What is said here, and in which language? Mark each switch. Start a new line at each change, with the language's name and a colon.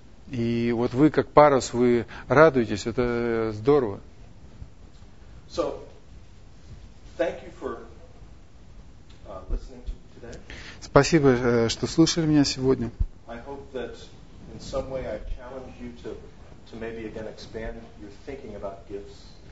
Russian: И вот вы как парус, вы радуетесь, это здорово.
English: So, thank you for, listening to today.
Russian: Спасибо, что слышали меня сегодня.
English: I hope that in some way I challenge you to maybe again expand your thinking about gifts.